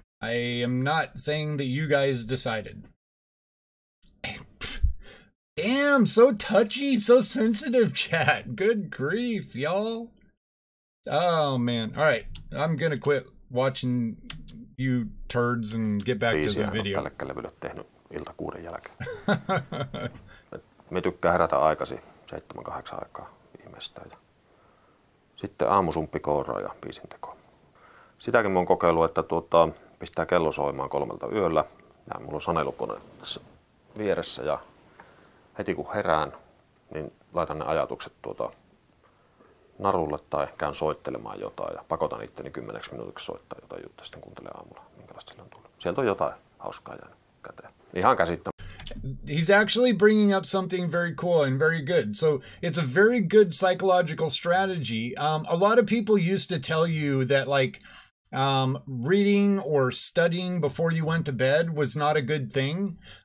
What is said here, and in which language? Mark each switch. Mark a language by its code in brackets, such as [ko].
[en] I am not saying that you guys decided. Damn, so touchy, so sensitive, chat. Good grief, y'all. Oh, man. All right, I'm going to quit watching you turds and get back to the video. [fi] Biisiä on tälle levylle tehnyt ilta 6 jälkeen. Me tykkää herätä aikasi 7-8 aikaa viimeistään. Sitten aamusumppikoura ja biisinteko. Sitäkin mä oon kokeillut, että pistää kello soimaan 3 yöllä. Ja mulla on sanelukone tässä vieressä ja heti kun herään, niin laitan ne ajatukset narulle tai käyn soittelemaan jotain ja pakotan itteni 10 minuutiksi soittaa jotain juttuja, sitten kuuntelen aamulla, minkälaista sillä on tullut. Sieltä on jotain hauskaa jäänyt käteen. Ihan käsittämättä. [en] He's actually bringing up something very cool and very good. So it's a very good psychological strategy. A lot of people used to tell you that reading or studying before you went to bed was not a good thing.